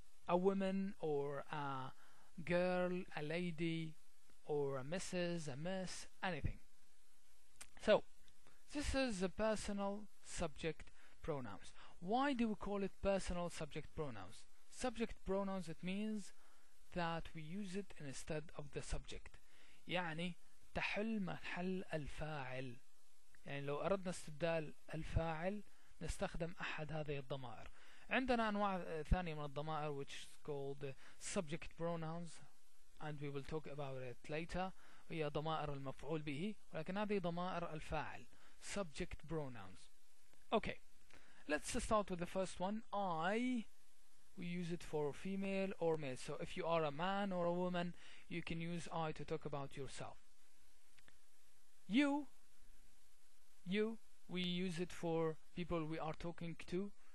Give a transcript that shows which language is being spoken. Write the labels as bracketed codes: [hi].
[en] A woman or a girl, a lady, or a Mrs., a Miss, anything. So, this is the personal subject pronouns. Why do we call it personal subject pronouns? Subject pronouns, it means that we use it instead of the subject. [ar] يعني تحل محل الفاعل. يعني لو أردنا استبدال الفاعل نستخدم أحد هذه الضمائر. عندنا أنواع ثانية من الضمائر, [en] which is called subject pronouns, and we will talk about it later. [ar] هي ضمائر المفعول به, ولكن هذه ضمائر الفاعل, subject pronouns. [en] Okay, let's start with the first one. I, we use it for female or male. So if you are a man or a woman, you can use I to talk about yourself. You, we use it for people we are talking to.